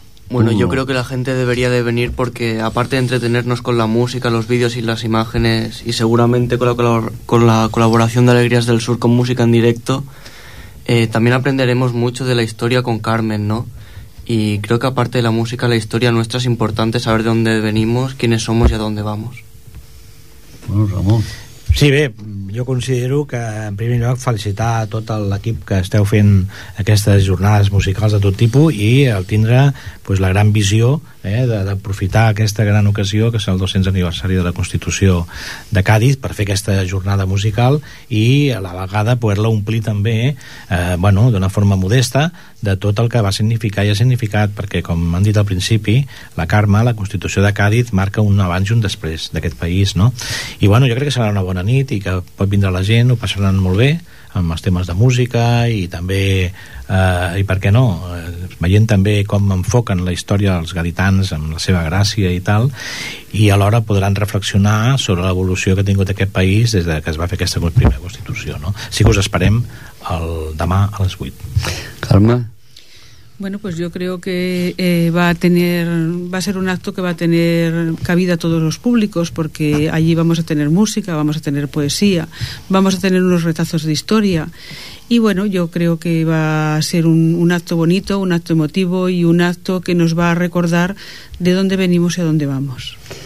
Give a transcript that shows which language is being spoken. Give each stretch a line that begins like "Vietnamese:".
Spanish: Bueno, yo creo que la gente debería de venir porque, aparte de entretenernos con la música, los vídeos y las imágenes, y seguramente con la colaboración de Alegrías del Sur con música en directo, también aprenderemos mucho de la historia con Carmen, ¿no? Y creo que aparte de la música, la historia nuestra es importante saber de dónde venimos, quiénes somos y a dónde vamos. Bueno, Ramón.
Catalan: Sí, bé, jo considero que en primer lloc felicitar a tot l'equip que esteu fent aquestes jornades musicals de tot tipus i el tindre pues, la gran visió d'aprofitar aquesta gran ocasió que és el 200 aniversari de la Constitució de Càdiz per fer aquesta jornada musical i a la vegada poder-la omplir també bueno, d'una forma modesta de tot el que va significar i ha significat perquè com han dit al principi la Carme, la Constitució de Càdiz marca un abans i un després d'aquest país, no? I bueno, jo crec que serà una bona nit i que pot vindre la gent, ho passaran molt bé amb els temes de música i també, i per què no, veient també com enfoquen la història dels gaditans amb la seva gràcia i tal, i alhora podran reflexionar sobre l'evolució que ha tingut aquest país des de que es va fer aquesta primera Constitució, no? Sí que us esperem el demà a les 8. Carme?
Spanish: Bueno, pues yo creo que va a ser un acto que va a tener cabida a todos los públicos, porque allí vamos a tener música, vamos a tener poesía, vamos a tener unos retazos de historia. Y bueno, yo creo que va a ser un acto bonito, un acto emotivo y un acto que nos va a recordar de dónde venimos y a dónde vamos.